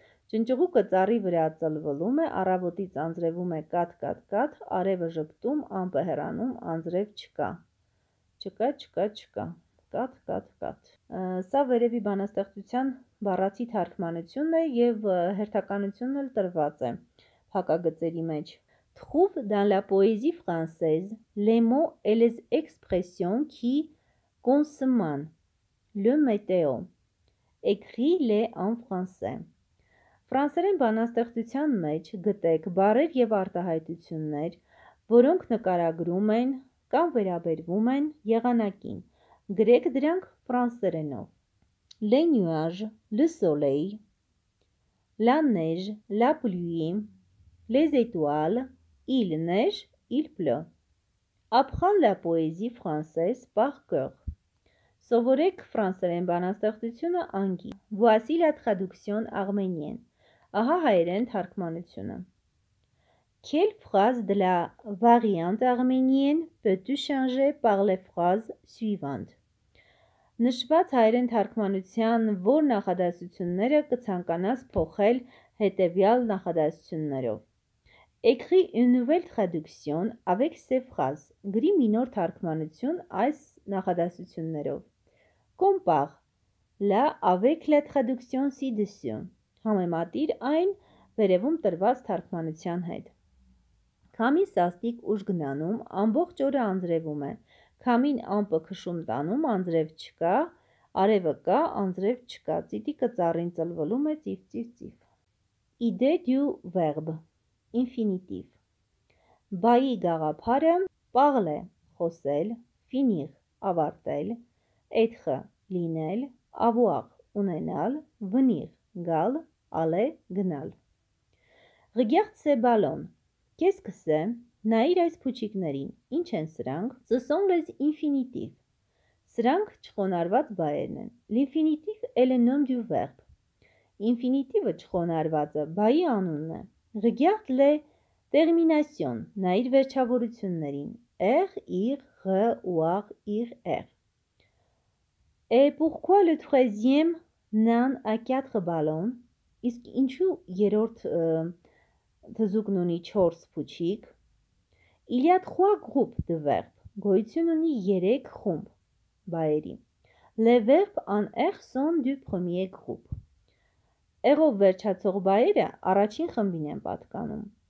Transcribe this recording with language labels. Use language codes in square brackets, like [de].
[hy] Ճնճղուկը ծառի վրա ծլվում է, առավոտից անձրևում է կաթ-կաթ-կաթ, արևը ժպտում, ամպը հեռանում, անձրև չկա։ Չկա, չկա, չկա։ Կաթ-կաթ-կաթ։ Սա վերևի բանաստեղծության բառացի թարգմանությունն է եւ հերթականությունն էլ տրված է փակագծերի մեջ։ [fr] Trouve dans la poésie française les mots et les expressions qui consomment le météo. Écris-les en français. [hy] Ֆրանսերեն բանաստեղծության մեջ գտեք բառեր եւ արտահայտություններ, որոնք նկարագրում են կամ վերաբերվում են եղանակին։ Գրեք դրանք ֆրանսերենով. [fr] Le nuage, le soleil, la neige, la pluie, les étoiles, il neige, il pleut. Apprends la poésie française par cœur. [hy] Սովորեք ֆրանսերեն բանաստեղծությունը անգի. [fr] Voici la traduction arménienne. [hy] Ահա հայերեն թարգմանությունը. [fr] Quelle phrase de la variante arménienne peux-tu changer par les phrases suivantes? [hy] Նշված հայերեն թարգմանության որ նախադասությունները կցանկանաս փոխել հետևյալ նախադասություններով. [fr] Écris une nouvelle traduction avec ces phrases. [hy] Գրի մի նոր թարգմանություն այս նախադասություններով. [fr] Compare la avec la traduction ci-dessus. [hy] Համեմատիր այն վերևում տրված թարգմանության հետ. Քամին սաստիկ ուշ գնանում ամբողջ օրը անձրևում է։ Քամին ամպը քշում տանում, անձրև չկա, արևը կա, անձրև չկա, ծիտիկը ծառին ծլվում է, ծիֆ, ծիֆ, ծիֆ։ [fr] Idée du verbe, infinitif. [hy] Բայի գաղափարը, parler, խոսել, finir, ավարտել, être, լինել, avoir, ունենալ, venir, գալ, aller, գնալ։ [fr] Regarde ce ballon. Qu'est-ce que c'est? [hy] Նայիր այս փուչիկներին, ինչ են սրանք, [fr] ce sont les infinitifs. [hy] Սրանք չխոնարհված բայերն են. [fr] L'infinitif est le nom du verbe. [hy] Infinitive-ը չխոնարհվածը, բայի անունն է. [fr] Regarde les terminations. [hy] Նայիր վերջավորություններին. [fr] Er, ir, r, oir, ir, er. Et pourquoi le troisième nain a quatre ballons? [hy] Իսկ ինչու երրորդ թզուկն ունի 4 փուչիկ? [fr] Il y a trois groupes de verbes. [hy] Գոյություն ունի 3 խումբ բայերի. [fr] Les verbes en er sont du premier groupe. [hy] Er-ով վերջացող բայերը առաջին խմբին են պատկանում.